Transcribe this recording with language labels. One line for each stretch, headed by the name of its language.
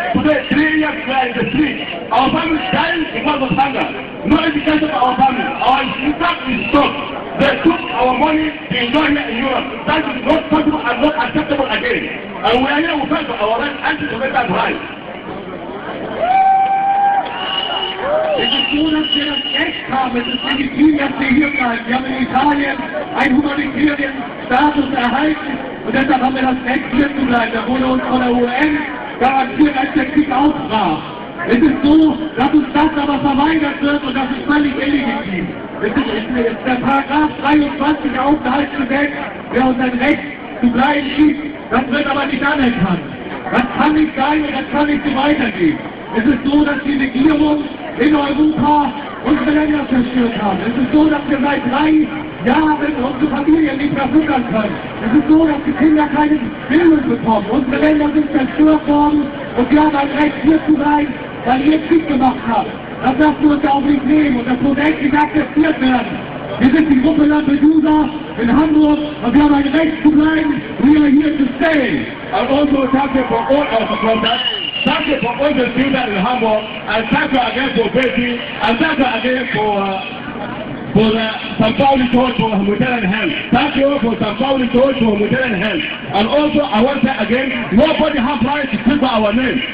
English: Today, 3 years we are in the street. Our family is dying because of hunger. No education for our family. Our income is stopped. They took our money to enjoy here in Europe. That is not possible and not acceptable again. And we are here to fight for our rights and to make that right.
German: Es ist so, dass wir das Recht haben, es ist legitim, dass wir hier bleiben. Wir haben in Italien einen humanitären Status erhalten und deshalb haben wir das Recht, hier zu bleiben. Da wurde uns von der UN garantiert, als der Krieg ausbrach. Es ist so, dass uns das aber verweigert wird und das ist völlig illegitim. Es ist der Paragraph 23 Aufenthaltsgesetz, der uns ein Recht zu bleiben gibt, das wird aber nicht anerkannt. Das kann nicht sein und das kann nicht so weitergehen. Es ist so, dass die Regierung in Europa unsere Länder zerstört haben. Es ist so, dass wir seit 3 Jahren unsere Familien nicht mehr füttern können. Es ist so, dass die Kinder keine Bildung bekommen. Unsere Länder sind zerstört worden und wir haben ein Recht hier zu sein, weil ihr Krieg gemacht habt. Das darfst du uns auch nicht nehmen und das muss endlich akzeptiert werden. Wir sind die Gruppe Lampedusa in Hamburg und wir haben ein Recht zu bleiben.
English: We are here to stay. And also thank you for all our support. Thank you for all the students in Hamburg, and thank you again for Betty, and thank you again for the St. Pauli Church for Hotel and Health. Thank you for St. Pauli Church for Hotel and Health. And also, I want to say again, nobody has right to speak by our name.